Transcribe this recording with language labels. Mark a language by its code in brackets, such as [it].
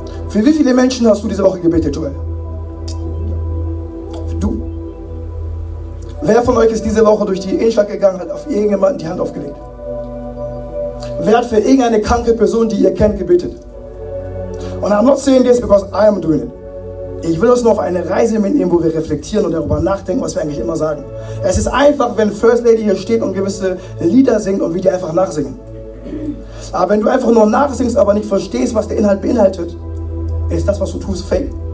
[de] Für wie viele Menschen hast du diese Woche gebetet, Joel? Du? Wer von euch ist diese Woche durch die Innenstadt gegangen, hat auf irgendjemanden die Hand aufgelegt? Wer hat für irgendeine kranke Person, die ihr kennt, gebetet? Und [en] I'm not saying this because I am doing it. [de] Ich will uns nur auf eine Reise mitnehmen, wo wir reflektieren und darüber nachdenken, was wir eigentlich immer sagen. Es ist einfach, wenn First Lady hier steht und gewisse Lieder singt und wir die einfach nachsingen. Aber wenn du einfach nur nachsingst, aber nicht verstehst, was der Inhalt beinhaltet, ist das, was du tust, fake.